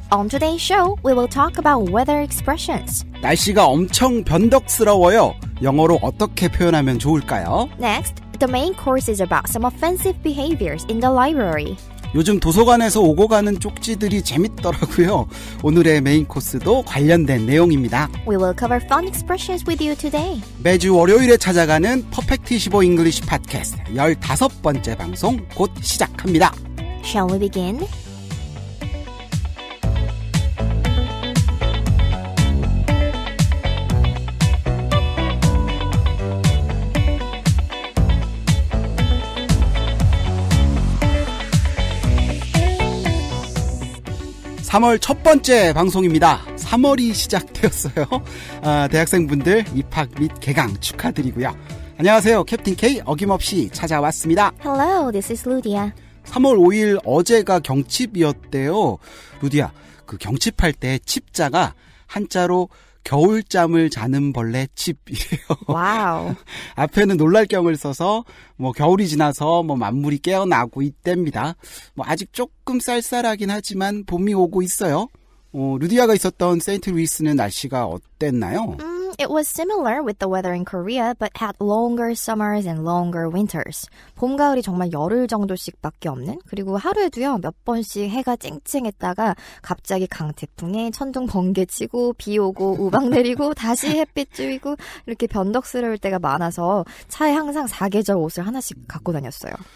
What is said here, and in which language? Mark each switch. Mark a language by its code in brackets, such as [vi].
[en] On today's show, we will talk about weather expressions. [ko] 날씨가 엄청 변덕스러워요. 영어로 어떻게 표현하면 좋을까요? [en] Next, the main course is about some offensive behaviors in the library. [ko] 요즘 도서관에서 오고 가는 쪽지들이 재밌더라고요. 오늘의 메인 코스도 관련된 내용입니다. [en] We will cover fun expressions with you today. [ko] 매주 월요일에 찾아가는 퍼펙트 25 잉글리시 팟캐스트 15번째 방송 곧 시작합니다. [en] Shall we begin? [ko] (3월) 첫 번째 방송입니다. 3월이 시작되었어요. 아, 대학생분들 입학 및 개강 축하드리고요. 안녕하세요. 캡틴 K 어김없이 찾아왔습니다. [en] Hello, this is Ludia. [ko] 3월 5일 어제가 경칩이었대요. 루디아, 그 경칩할 때 칩자가 한자로 겨울잠을 자는 벌레 칩이에요. 와우. 앞에는 놀랄 경을 써서 뭐 겨울이 지나서 뭐 만물이 깨어나고 있답니다. 뭐 아직 조금 쌀쌀하긴 하지만 봄이 오고 있어요. 어, 루디아가 있었던 세인트 루이스는 날씨가 어땠나요? [en] It was similar with the weather in Korea, but had longer summers and longer winters. [ko] 봄, 가을이 정말 열흘 정도씩밖에 없는? 그리고 하루에도요, 몇 번씩 해가 쨍쨍했다가 갑자기 강태풍에 천둥 번개 치고 비 오고 우박 내리고 다시 햇빛 쬐이고 이렇게 변덕스러울 때가 많아서 차에 항상 사계절 옷을 하나씩 갖고 다녔어요.